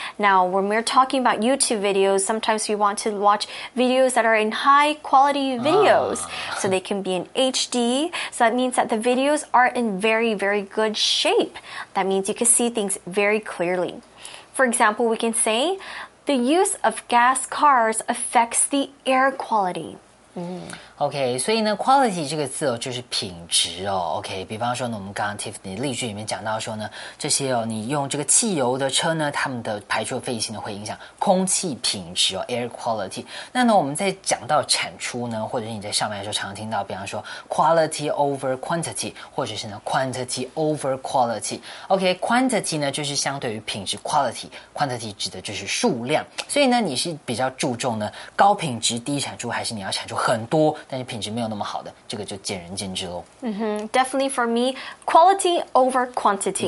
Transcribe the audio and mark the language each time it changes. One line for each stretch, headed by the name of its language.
English: Now, when we're talking about YouTube videos, sometimes we want to watch videos that are in high quality videos. So they can be in HD. So that means that the videos are in very, very good shape. That means you can see things very clearly. For example, we can say,The use of gas cars affects the air quality.
Chinese: OK, 所以呢 quality 这个字哦就是品质哦 OK, 比方说呢我们刚刚 Tiffany 例句里面讲到说呢这些哦你用这个汽油的车呢它们的排出废气呢会影响空气品质哦 air quality. 那呢我们在讲到产出呢或者是你在上面的时候常听到比方说
English: quality over quantity,
Chinese: 或者是呢
English: quantity over quality.
Chinese: OK, quantity 呢就是相对于品质 quality, quantity 指的就是数量。所以呢你是比较注重呢高品质低产出还是你要产出很多但是品质没有那么好的这个就见仁见智咯。
English: Definitely for me, quality over quantity.